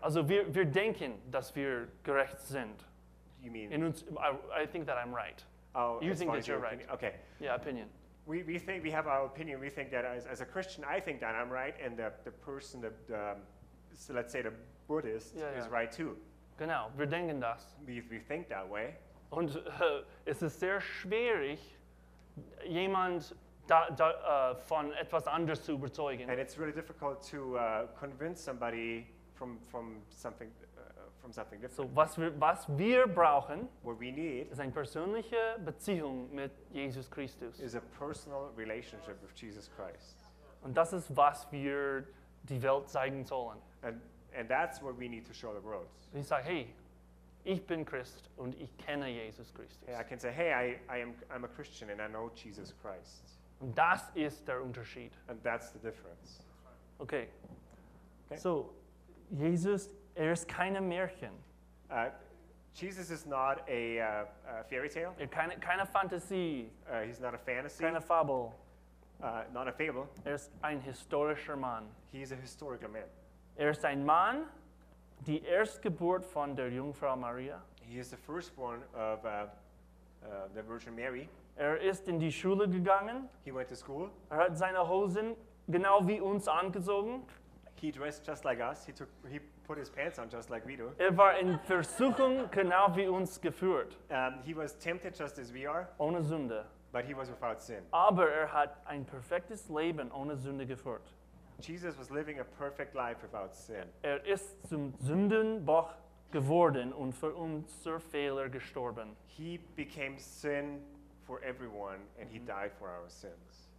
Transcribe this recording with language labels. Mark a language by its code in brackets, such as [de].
[de] Also wir denken, dass wir gerecht sind. [en] You mean? [de] In uns, [en] I think that I'm right. Oh, you think that you're opinion. Right. Okay. Yeah, opinion. We think we have our opinion. We think that as a Christian, I think that I'm right, and the person, so let's say the Buddhist, yeah. is right too. [de] Genau, wir denken das. [en] We think that way. [de] Und es ist sehr schwierig, jemand da von etwas anderes zu überzeugen. [en] And it's really difficult to convince somebody from something different. [de] So was wir brauchen, [en] what we need, [de] ist eine persönliche Beziehung mit Jesus Christus. [en] Is a personal relationship with Jesus Christ. [de] Und das ist, was wir die Welt zeigen sollen. [en] And that's what we need to show the world. [de] Ich sage, hey, ich bin Christ und ich kenne Jesus Christus. [en] Yeah, I can say, hey, I'm a Christian and I know Jesus Christ. [de] Und das ist der Unterschied. [en] And that's the difference. [de] Okay. Okay. So, Jesus, ist keine Märchen. [en] Jesus is not a fairy tale. [de] Keine Fantasie. [en] He's not a fantasy. [de] Keine Fabel. [en] Not a fable. [de] Ist ein historischer Mann. [en] He is a historical man. [de] Ist ein Mann, die Erstgeburt von der Jungfrau Maria. [en] He is the firstborn of the Virgin Mary. [de] Ist in die Schule gegangen. [en] He went to school. [de] Hat seine Hosen genau wie uns angezogen. [en] He dressed just like us. He put his pants on just like we do. [de] War in Versuchung genau wie uns geführt. [en] He was tempted just as we are. [de] Ohne Sünde. [en] But he was without sin. [de] Aber hat ein perfektes Leben ohne Sünde geführt. [en] Jesus was living a perfect life without sin. [de] Ist zum Sündenbock geworden und für unser Fehler gestorben. [en] He became sin for everyone and he died for our sins.